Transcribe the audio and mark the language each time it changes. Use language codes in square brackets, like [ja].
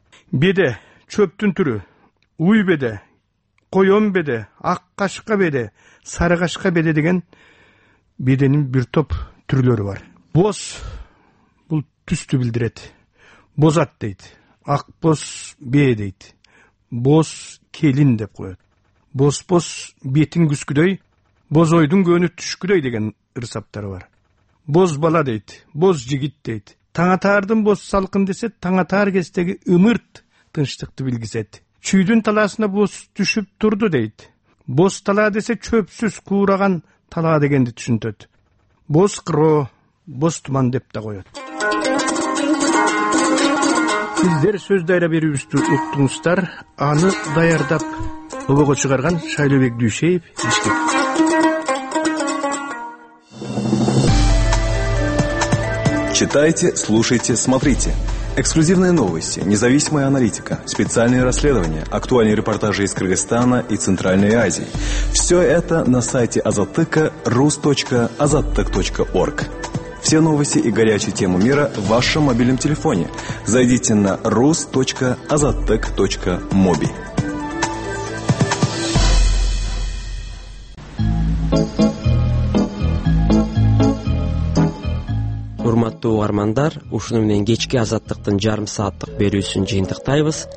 [ky] Беде, чөптүн түрү, уй беде, коён беде, ак кашка беде, сары кашка беде деген беденин бир топ түрлөрү бар. Боз, бул түстү билдирет. Бозат дейт. Ак боз бээ дейт. Боз келин деп коет. Боз-боз бетин күскүдөй, бозойдун көнү түшкүдөй деген ырсаптары бар. Боз бала дейт, боз жигит дейт. Таңатаардын боз салкын десе, таңатаар кездеги ымырт тынчтыкты билгизет. Чүйдүн талаасына боз түшүп турду дейт. Боз талаа десе, чөпсүз куураган талаа дегенди түшүнтөт. Боз кыроо, боз туман деп да коет. Сиздер сөз дайра берүүбүздү уктуңуздар. Аны даярдап обого чыгарган Шайлообек Дүйшеев Бишкек. [ru] Читайте, слушайте, смотрите. Эксклюзивные новости, независимая аналитика, специальные расследования, актуальные репортажи из Кыргызстана и Центральной Азии. Все это на сайте Азаттыка rus.azattyk.org. Все новости и горячие темы мира в вашем мобильном телефоне. Зайдите на rus.azattyk.mobi. [ky] Урматтуу армандар, ушуну менен кечки азаттыктын жарым сааттык берүүсүн жыйынтыктайбыз.